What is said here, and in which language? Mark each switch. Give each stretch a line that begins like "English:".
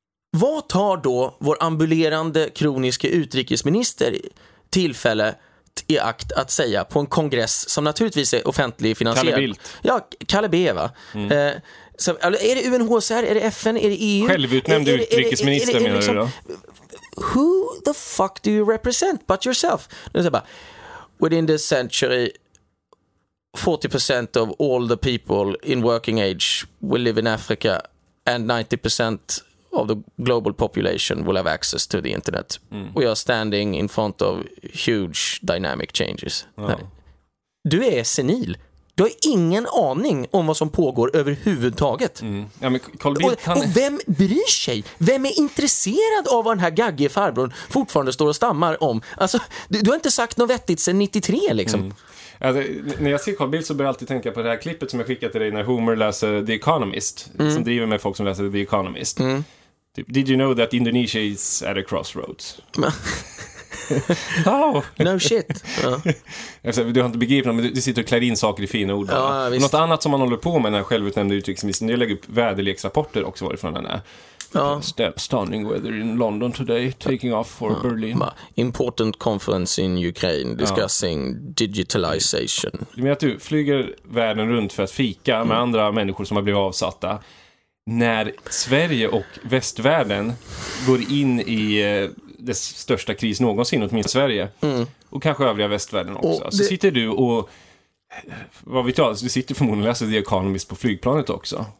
Swedish: Vad tar då vår ambulerande kroniska utrikesminister tillfälle i akt att säga på en kongress som naturligtvis är offentlig finansierad? Kalle Bildt. Ja, Kalle B, va? Så, är det UNHCR, är det FN, är det EU? Självutnämnd utrikesminister, menar du då?
English: Who the fuck do you represent but yourself? Within this century, 40% of all the people in working age will live in Africa, and 90% of the global population will have access to the internet. We are standing in front of huge dynamic changes.
Swedish: Du är senil. Du har ingen aning om vad som pågår överhuvudtaget. Ja, men Carl Bildt, han... Och vem bryr sig? Vem är intresserad av vad den här gaggiga farbrorn fortfarande står och stammar om? Alltså, du har inte sagt något vettigt sedan 93, liksom. Alltså, när jag ser Carl Bildt så börjar jag alltid tänka på det här klippet som jag skickade till dig när Homer läser The Economist, som driver med folk som läser The Economist.
English: Did you know that Indonesia is at a crossroads? Oh. No shit.
Swedish: Du har inte begripit något, men du sitter och klär in saker i fina ord. Något annat som man håller på med, den här självutnämnda utrikesministern, jag lägger upp väderleksrapporter också varifrån den är.
English: Stunning weather in London today, taking off for Berlin. Important conference in Ukraine, discussing digitalization.
Swedish: Du menar att du flyger världen runt för att fika med andra människor som har blivit avsatta, när Sverige och västvärlden går in i det största kris någonsin, åtminstone Sverige. Och kanske övriga västvärlden också. Och så sitter du och... Vad vet jag, du sitter förmodligen och läser The Economist på flygplanet också.